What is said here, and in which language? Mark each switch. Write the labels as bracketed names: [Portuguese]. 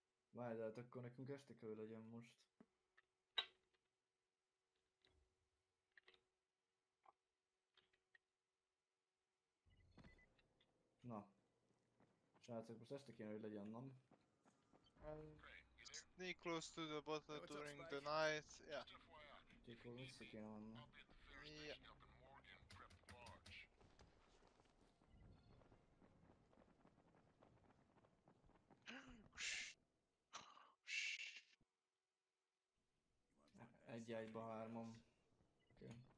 [Hungarian] Várj, de hát akkor nekünk este kell legyen most. Na. Srácok, most este kéne, hogy legyen, nem? [English] Stay close to the bottle during the night, yeah. Stay close, [Hungarian] vissza kéne venni. Egy ágyba hármam. Oké.